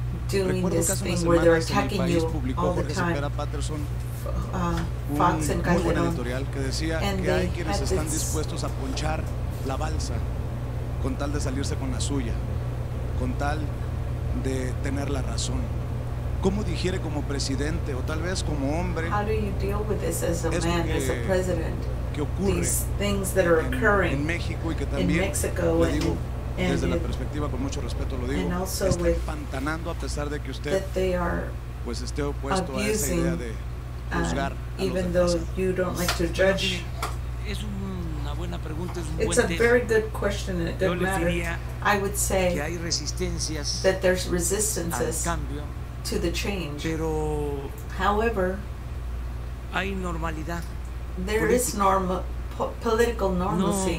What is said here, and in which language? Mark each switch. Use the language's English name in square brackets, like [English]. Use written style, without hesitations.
[Spanish] Recuerdo que hace unas semanas en mi país publicó Jorge Cepeda Patterson un muy buen editorial que decía que hay quienes están dispuestos a ponchar la balsa con tal de salirse con la suya, con tal de tener la razón. ¿Cómo digiere como presidente o tal vez como hombre? [English] How do you deal with this as a man, as a president? [Spanish] ¿Qué ocurre? [English] These things that are occurring [Spanish] en México y que también le digo desde la perspectiva con mucho respeto lo digo, está empantanando a pesar de que usted pues esté opuesto a esa idea de juzgar. [English] Even though you don't like to judge. [Spanish] Es una buena pregunta, es un buen tema. [English] It's a very good question and a good matter. I would say [Spanish] que hay resistencias, [English] that there's resistances [Spanish] al cambio, [English] to the change. [Spanish] Pero, [English] however, [Spanish] hay normalidad, [English] there is normal political normalcy.